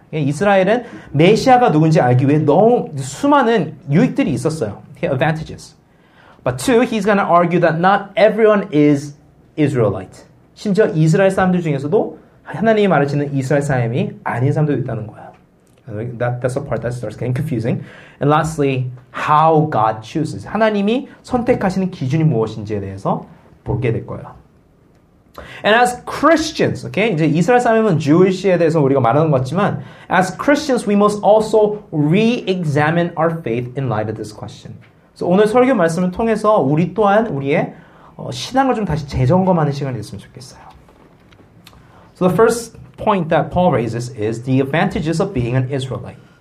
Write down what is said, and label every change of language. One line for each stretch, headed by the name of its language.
Korean: Okay, 이스라엘은 메시아가 누군지 알기 위해 너무 수많은 유익들이 있었어요.
English: Okay, advantages. But two, he's going to argue that not everyone is Israelite.
Korean: 심지어 이스라엘 사람들 중에서도 하나님이 말하시는 이스라엘 사람이 아닌 사람도 있다는 거예요.
English: That's the part that starts getting confusing. And lastly, how God chooses.
Korean: 하나님이 선택하시는 기준이 무엇인지에 대해서 보게 될 거예요.
English: And as Christians, okay,
Korean: 이제 이스라엘 사람은 Jewish에 대해서 우리가 말하는 것 같지만,
English: as Christians, we must also re-examine our faith in light of this question.
Korean: So 오늘 설교 말씀을 통해서 우리 또한 우리의 신앙을 좀 다시 재점검하는 시간이 됐으면 좋겠어요.
English: So the first point that Paul raises is the advantages of being an Israelite.